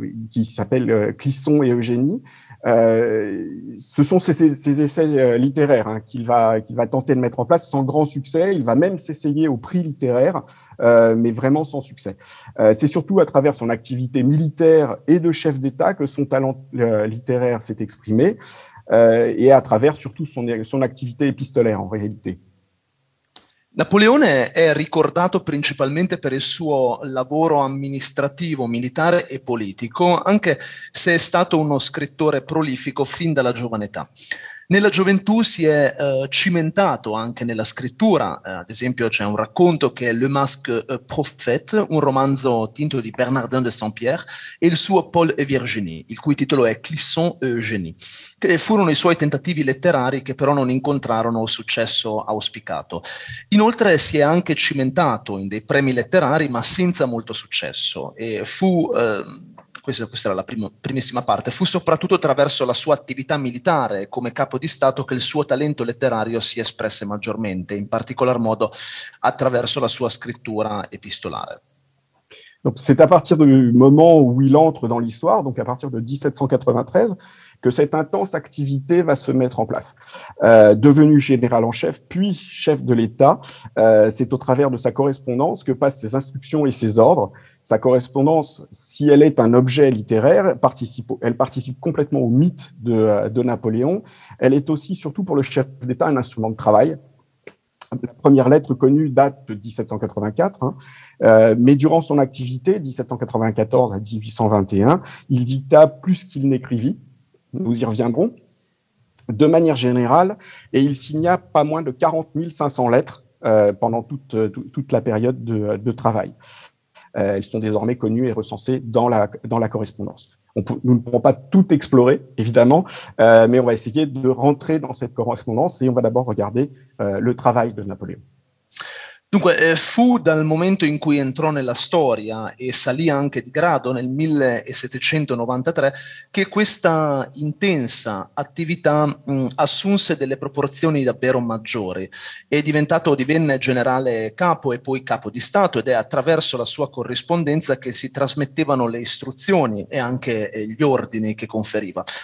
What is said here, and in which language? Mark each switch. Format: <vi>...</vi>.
<fr>qui s'appelle Qui sont Eugénie. Ce sont ses essais littéraires hein, qu'il va tenter de mettre en place sans grand succès. Il va même s'essayer au prix littéraire, mais vraiment sans succès. C'est surtout à travers son activité militaire et de chef d'État que son talent littéraire s'est exprimé, et à travers surtout son activité épistolaire en réalité.</fr> <it>Napoleone è ricordato principalmente per il suo lavoro amministrativo, militare e politico, anche se è stato uno scrittore prolifico fin dalla giovane età. Nella gioventù si è cimentato anche nella scrittura, ad esempio c'è un racconto che è Le Masque Prophète, un romanzo tinto di Bernardin de Saint-Pierre, e il suo Paul et Virginie, il cui titolo è Qui sont Eugénie, che furono i suoi tentativi letterari che però non incontrarono il successo auspicato. Inoltre si è anche cimentato in dei premi letterari, ma senza molto successo, e fu... Questa era la primissima parte, fu soprattutto attraverso la sua attività militare come capo di Stato che il suo talento letterario si espresse maggiormente, in particolar modo attraverso la sua scrittura epistolare.</it> <fr>Donc, c'est à partir du moment où il entre dans l'histoire, donc à partir de 1793, que cette intense activité va se mettre en place. Devenu général en chef, puis chef de l'État, c'est au travers de sa correspondance que passent ses instructions et ses ordres. Sa correspondance, si elle est un objet littéraire, elle participe complètement au mythe de Napoléon. Elle est aussi, surtout pour le chef d'État, un instrument de travail. La première lettre connue date de 1784, hein, mais durant son activité, 1794 à 1821, il dicta plus qu'il n'écrivit, nous y reviendrons, de manière générale, et il signa pas moins de 40 500 lettres pendant toute la période de travail. Elles sont désormais connues et recensées dans la correspondance. Nous ne pourrons pas tout explorer, évidemment, mais on va essayer de rentrer dans cette correspondance et on va d'abord regarder le travail de Napoléon.</fr> <it>Dunque, fu dal momento in cui entrò nella storia e salì anche di grado nel 1793 che questa intensa attività assunse delle proporzioni davvero maggiori. Divenne generale capo e poi capo di Stato ed è attraverso la sua corrispondenza che si trasmettevano le istruzioni e anche gli ordini che conferiva.</it>